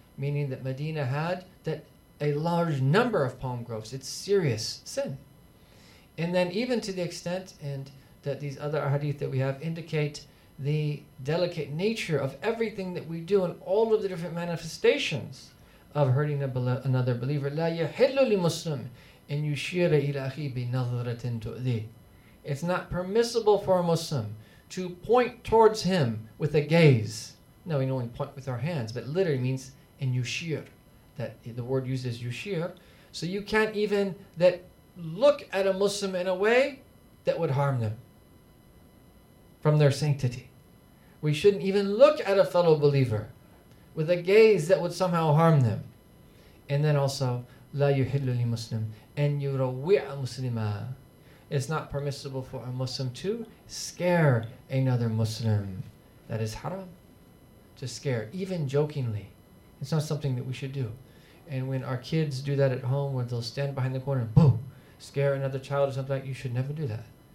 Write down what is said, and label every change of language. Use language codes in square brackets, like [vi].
[en] Meaning that Medina had that a large number of palm groves. It's serious sin. And then even to the extent and that these other hadith that we have indicate the delicate nature of everything that we do and all of the different manifestations of hurting another believer. [ar] لا يحل لمسلم أن يشير إلى أخي بنظرة تؤذي. [en] It's not permissible for a Muslim to point towards him with a gaze. No, we know we point with our hands, but literally means أن يشير. That the word uses يشير. So you can't even that look at a Muslim in a way that would harm them from their sanctity. We shouldn't even look at a fellow believer with a gaze that would somehow harm them. [ar] And then also, لا يحل لمسلم أن يروّع مسلما. [en] It's not permissible for a Muslim to scare another Muslim. That is haram. to scare, even jokingly. It's not something that we should do. And when our kids do that at home, where they'll stand behind the corner and boom, scare another child or something like that, you should never do that.